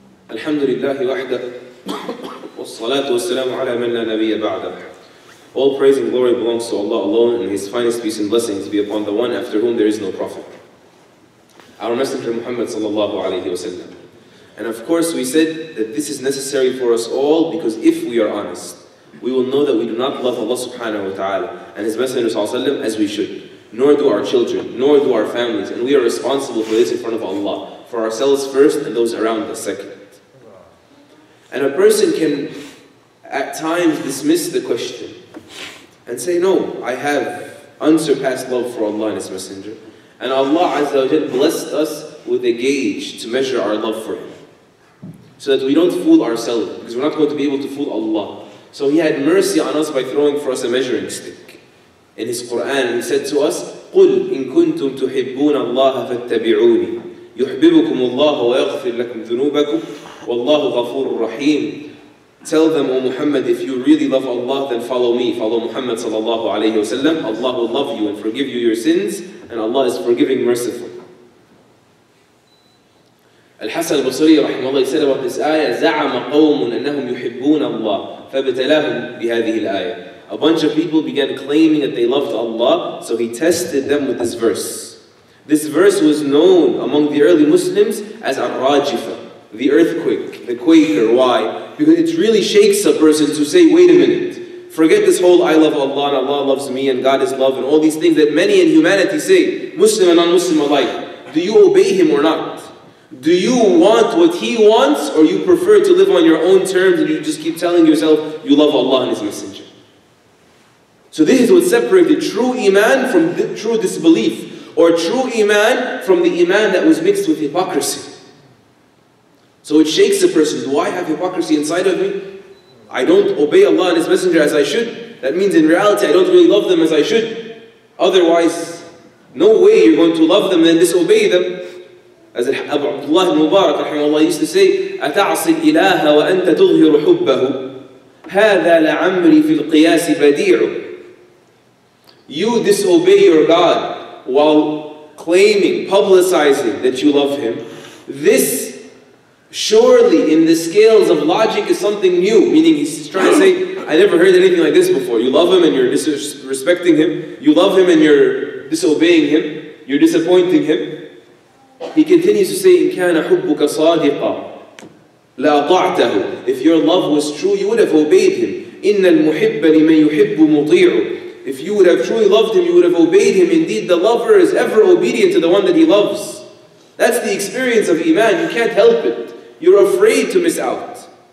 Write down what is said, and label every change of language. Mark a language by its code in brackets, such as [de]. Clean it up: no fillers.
[ar] الحمد لله وحده والصلاة والسلام على من لا نبي بعده. [en] All praise and glory belongs to Allah alone, and His finest peace and blessings be upon the one after whom there is no prophet. Our Messenger Muhammad sallallahu alayhi wasallam. And of course we said that this is necessary for us all, because if we are honest, we will know that we do not love Allah subhanahu wa ta'ala and His Messenger sallallahu alayhi wasallam as we should. Nor do our children, nor do our families, and we are responsible for this in front of Allah. For ourselves first and those around us second. And a person can at times dismiss the question and say, no, I have unsurpassed love for Allah and His Messenger. And Allah Azza wa Jal blessed us with a gauge to measure our love for Him, so that we don't fool ourselves, because we're not going to be able to fool Allah. So He had mercy on us by throwing for us a measuring stick. In His Quran, He said to us, [ar] قُلْ إِن كُنْتُمْ تُحِبُّونَ اللَّهَ فَاتَّبِعُونِي يُحْبِبُكُمُ اللَّهُ وَيَغْفِرْ لَكُمْ ذُنُوبَكُمْ وَاللَّهُ غَفُورٌ رَحِيمٌ. [en] Tell them, O Muhammad, if you really love Allah, then follow me. Follow Muhammad sallallahu alayhi wasallam. Allah will love you and forgive you your sins, and Allah is forgiving, merciful. Al-Hasan al-Basri rahimahullah said about this ayah, [ar] زَعَمَ قَوْمٌ أَنَّهُمْ يُحِبُّونَ اللَّهِ فَبْتَلَاهُمْ بِهَذِهِ الْآيَةِ. [en] A bunch of people began claiming that they loved Allah, so he tested them with this verse. This verse was known among the early Muslims as Al-Rajifa, the earthquake, the Quaker. Why? Because it really shakes a person to say, wait a minute, forget this whole I love Allah and Allah loves me and God is love and all these things that many in humanity say, Muslim and non-Muslim alike. Do you obey Him or not? Do you want what He wants, or you prefer to live on your own terms and you just keep telling yourself you love Allah and His Messenger? So this is what separated true Iman from true disbelief, or true Iman from the Iman that was mixed with hypocrisy. So it shakes a person. Do I have hypocrisy inside of me? I don't obey Allah and His Messenger as I should. That means in reality I don't really love them as I should. Otherwise, no way you're going to love them and disobey them. As Abu Abdullah al-Mubarak rahimahullah used to say, [ar] أَتَعْصِ الْإِلَهَ وَأَنْتَ تُظْهِرُ حُبَّهُ هَذَا لَعَمْرِي فِي الْقِيَاسِ بَدِيعُ. [en] You disobey your God while claiming, publicizing that you love Him. This surely in the scales of logic is something new. Meaning he's trying to say, I never heard anything like this before. You love Him and you're disrespecting Him. You love Him and you're disobeying Him. You're disappointing Him. He continues to say, [ar] إِن كَانَ حُبُّكَ صَادِقًا لَأَطَعْتَهُ. [en] If your love was true, you would have obeyed Him. [ar] إِنَّ الْمُحِبَّ لِمَنْ يُحِبُّ مُطِيعُ. [en] If you would have truly loved Him, you would have obeyed Him. Indeed, the lover is ever obedient to the one that he loves. That's the experience of Iman. You can't help it. You're afraid to miss out.